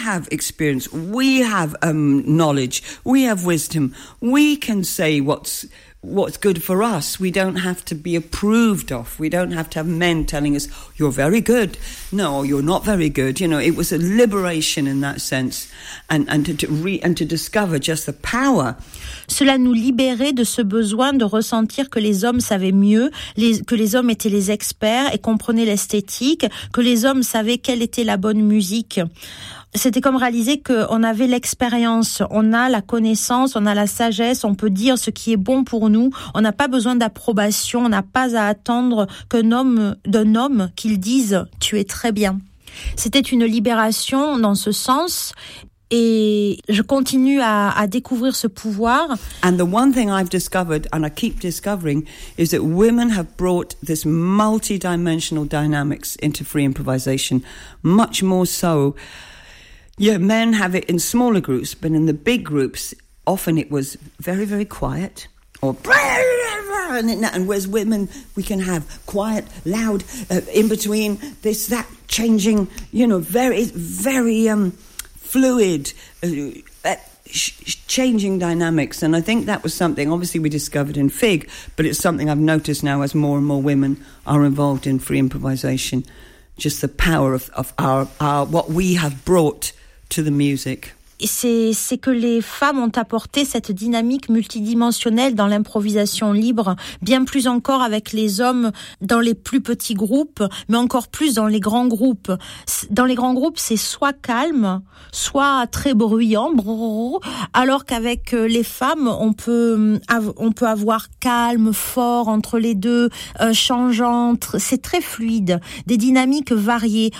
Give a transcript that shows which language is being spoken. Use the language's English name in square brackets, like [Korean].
[English] experience, we have knowledge, we have wisdom, we can say what's good for us, we don't have to be approved of, we don't have to have men telling us, you're very good, no, you're not very good, you know, it was a liberation in that sense, and to discover just the power. [French] Cela nous libérait de ce besoin de ressentir que les hommes savaient mieux, que les hommes étaient les experts et comprenaient l'esthétique, que les hommes savaient quelle était la bonne musique. C'était comme réaliser qu'on avait l'expérience, on a la connaissance, on a la sagesse, on peut dire ce qui est bon pour nous, on n'a pas besoin d'approbation, on n'a pas à attendre d'un homme qu'il dise « tu es très bien ». C'était une libération dans ce sens et je continue à découvrir ce pouvoir. [English] And the one thing I've discovered and I keep discovering is that women have brought this multi-dimensional dynamics into free improvisation, much more so. Yeah, men have it in smaller groups, but in the big groups, often it was very, very quiet. Or and whereas women, we can have quiet, loud, in between this, that, changing. You know, very, very fluid, changing dynamics. And I think that was something. Obviously, we discovered in Fig, but it's something I've noticed now as more and more women are involved in free improvisation. just the power of our what we have brought to the music. [French] C'est que les femmes ont apporté cette dynamique multidimensionnelle dans l'improvisation libre, bien plus encore avec les hommes dans les plus petits groupes, mais encore plus dans les grands groupes. Dans les grands groupes, c'est soit calme, soit très bruyant, alors qu'avec les femmes, on peut avoir calme, fort, entre les deux, changeant, c'est très fluide, des dynamiques variées.